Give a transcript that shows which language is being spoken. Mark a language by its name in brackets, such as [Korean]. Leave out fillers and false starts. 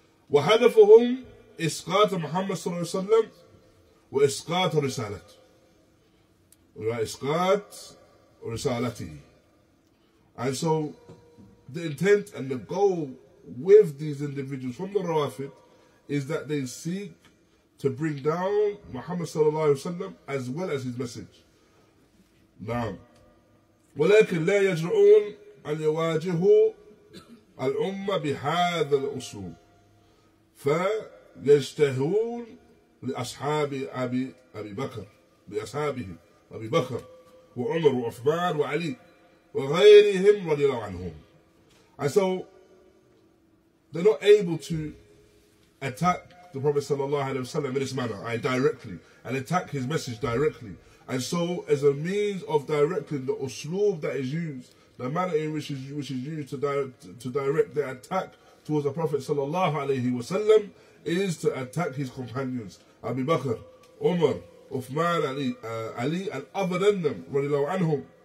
[Arabic] وَهَدَفُهُمْ إِسْقَاطَ مُحَمَّدٍ صَلَّى اللَّهُ عَلَيْهِ وَسَلَّمَ وَإِسْقَاطَ رِسَالَتِهِ وَإِسْقَاطَ رِسَالَتِهِ. [English] And so, the intent and the goal with these individuals from the Rawafid is that they seek to bring down Muhammad صَلَّى اللَّهُ عَلَيْهِ وَسَلَّمَ as well as his message. [Arabic] نعم. ولكن لا يجرؤون أن يواجهوا الأمة بهذا الأسلوب فيجتهون لأصحاب أبي بكر لأصحابه أبي بكر وعمر وعثمان وعلي وغيرهم رضي الله عنهم. [English] And so they're not able to attack the Prophet sallallahu alaihi wasallam in this manner, directly, and attack his message directly. And so, as a means of directing the usloob that is used, the manner in which is used to direct the attack towards the Prophet sallallahu alaihi wasallam, is to attack his companions, Abu Bakr, Umar, Uthman, Ali, and other than them, radiallahu anhum.